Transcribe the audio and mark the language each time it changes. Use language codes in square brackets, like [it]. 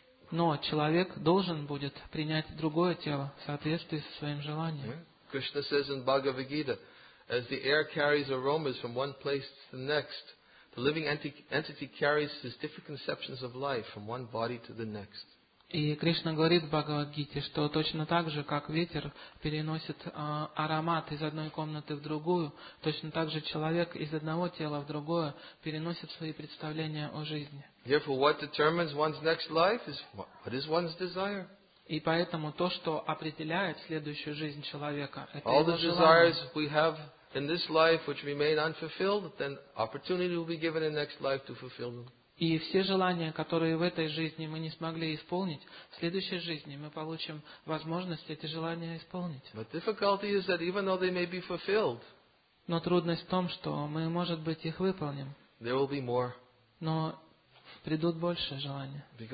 [ru] Но человек должен будет принять другое тело в соответствии со своим желанием. [en] Кришна says in Бхагавад-гита, as the air carries aromas from one place to the next, the living entity carries his different conceptions of life from one body to the next. [ru] И Кришна говорит в Бхагавад-гите, что точно так же, как ветер переносит аромат из одной комнаты в другую, точно так же человек из одного тела в другое переносит свои представления о жизни. [en] Therefore, what determines one's next life is what is one's desire. [ru] И поэтому то, что определяет следующую жизнь человека, это его желание. [en] All the desires we have in this life which remain unfulfilled, then opportunity will be given in next life to fulfill them. [ru] И все желания, которые в этой жизни мы не смогли исполнить, в следующей жизни мы получим возможность эти желания исполнить. Но трудность в том, что мы, может быть, их выполним, но придут больше желания.